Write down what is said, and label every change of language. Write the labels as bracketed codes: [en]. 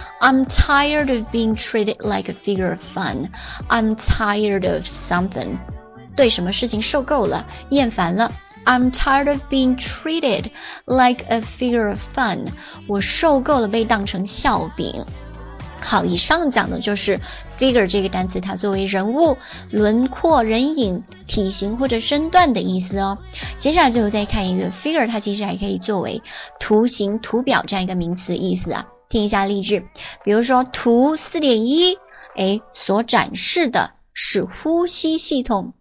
[en] I'm tired of being treated like a figure of fun. I'm tired of something. [zh] 对什么事情受够了，厌烦了。 [en] I'm tired of being treated like a figure of fun. [zh] 我受够了被当成笑柄。好，以上讲的就是 figure 这个单词，它作为人物、轮廓、人影、体型或者身段的意思哦。接下来最后再看一个 figure， 它其实还可以作为图形、图表这样一个名词的意思啊。听一下例句，比如说图 4.1， 所展示的是呼吸系统。